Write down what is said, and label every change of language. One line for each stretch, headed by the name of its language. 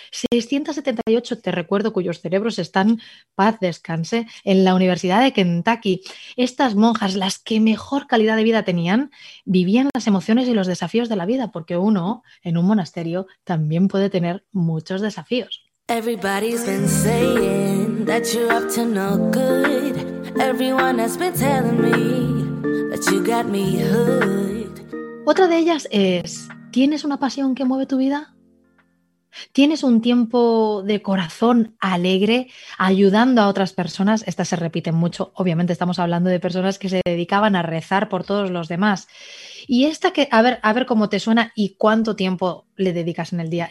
Spanish: 678, te recuerdo, cuyos cerebros están, paz, descanse, en la Universidad de Kentucky. Estas monjas, las que mejor calidad de vida tenían, vivían las emociones y los desafíos de la vida, porque uno, en un monasterio, también puede tener muchos desafíos.
English: Everybody's been saying that you're up to no good. Everyone has been telling me that you got me hooked.
Spanish: Otra de ellas es, ¿tienes una pasión que mueve tu vida? ¿Tienes un tiempo de corazón alegre ayudando a otras personas? Estas se repiten mucho. Obviamente estamos hablando de personas que se dedicaban a rezar por todos los demás. Y esta que, a ver cómo te suena y cuánto tiempo le dedicas en el día.